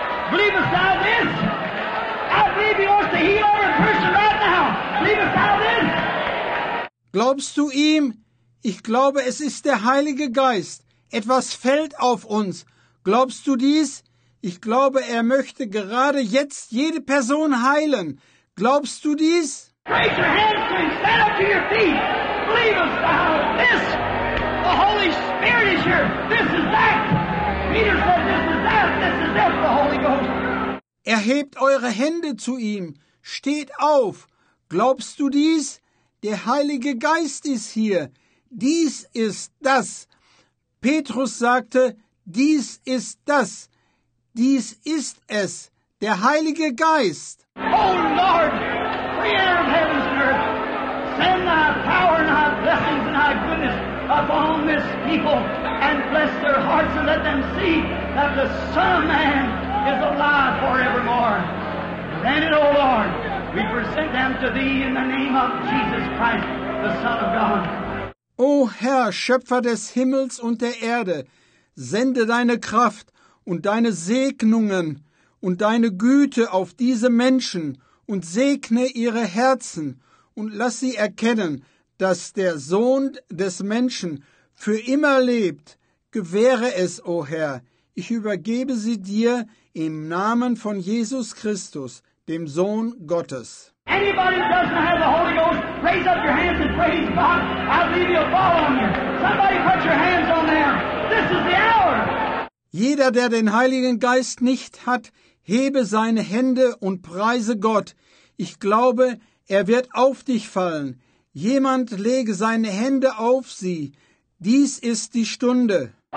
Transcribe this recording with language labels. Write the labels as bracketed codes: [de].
[en] Believest thou this? I believe he wants to heal every person right now. Believest thou this? [de] Glaubst du ihm? Ich glaube, es ist der Heilige Geist. Etwas fällt auf uns. Glaubst du dies? Ich glaube, er möchte gerade jetzt jede Person heilen. Glaubst du dies? [en] Raise your hands and stand up to your feet. Believe us, this. The Holy Spirit is here. This is that. Peter said, this is that. This is that, the Holy Ghost. [de] Erhebt eure Hände zu ihm. Steht auf. Glaubst du dies? Der Heilige Geist ist hier. Dies ist das. Petrus sagte, dies ist das. Dies ist es, der Heilige Geist. [en] Oh Lord, Creator of heavens and earth, send thy power and thy blessings and thy goodness upon this people and bless their hearts and let them see that the Son of Man is alive forevermore. Grant it, O Lord. We present them to Thee in the name of Jesus Christ, the Son of God. [de] O Herr, Schöpfer des Himmels und der Erde, sende Deine Kraft und Deine Segnungen und Deine Güte auf diese Menschen und segne ihre Herzen und lass sie erkennen, dass der Sohn des Menschen für immer lebt. Gewähre es, o Herr, ich übergebe sie Dir im Namen von Jesus Christus, dem Sohn Gottes. [en] Anybody who doesn't have the Holy Ghost, raise up your hands and praise God. I'll leave you a ball on you. Somebody put your hands on there. This is the hour. [de] Jeder, der den Heiligen Geist nicht hat, hebe seine Hände und preise Gott. Ich glaube, er wird auf dich fallen. Jemand lege seine Hände auf sie. Dies ist die Stunde.